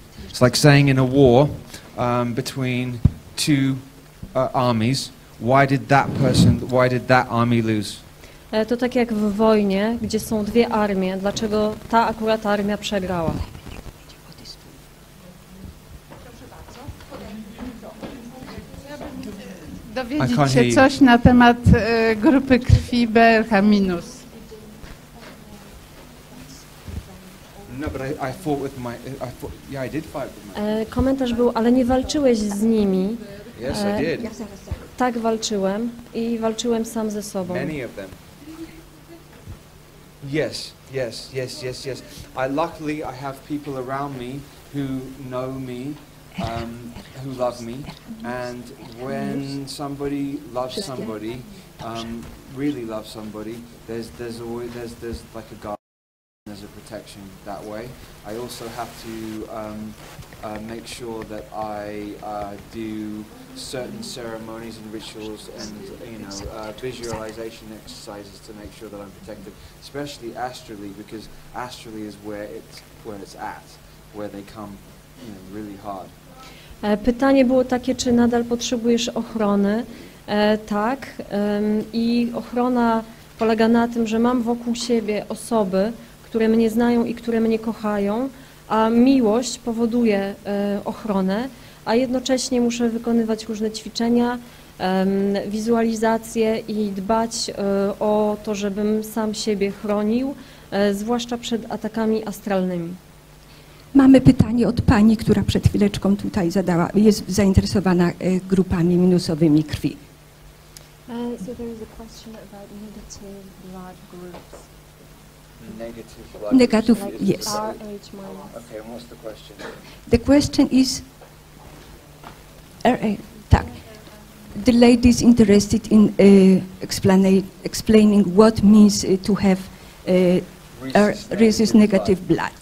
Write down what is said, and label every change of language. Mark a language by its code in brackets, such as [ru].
[en] It's like saying in a war between two armies. Why did that person? Why did that army lose? [pl] To tak jak w wojnie, gdzie są dwie armie. Dlaczego ta akurat armia przegrała? Dowiedzieć się coś na temat grupy krwi BRH minus. [en] No, but I fought with my. I fought, yeah, I did fight with my. [pl] Komentarz był, ale nie walczyłeś z nimi. [en] Yes, I did. [pl] Tak walczyłem i walczyłem sam ze sobą. [en] Many of them. Yes, yes, yes, yes, yes. I luckily I have people around me who know me. Who love me, and when somebody loves somebody, really loves somebody, there's always like a guard, there's a protection that way. I also have to make sure that I do certain ceremonies and rituals and, you know, visualization exercises to make sure that I'm protected, especially astrally, because astrally is where it's at, where they come, you know, really hard. [pl] Pytanie było takie, czy nadal potrzebujesz ochrony? Tak. I ochrona polega na tym, że mam wokół siebie osoby, które mnie znają i które mnie kochają, a miłość powoduje ochronę, a jednocześnie muszę wykonywać różne ćwiczenia, wizualizacje i dbać o to, żebym sam siebie chronił, zwłaszcza przed atakami astralnymi. Mamy pytanie od pani, która przed chwileczką tutaj zadała, jest zainteresowana grupami minusowymi krwi. [en] So there is a question about negative blood groups. Negative blood groups. Negative, yes. RH minus. Okay, and what's the question? The question is, tak. The lady is interested in explaining what means to have rhesus negative blood.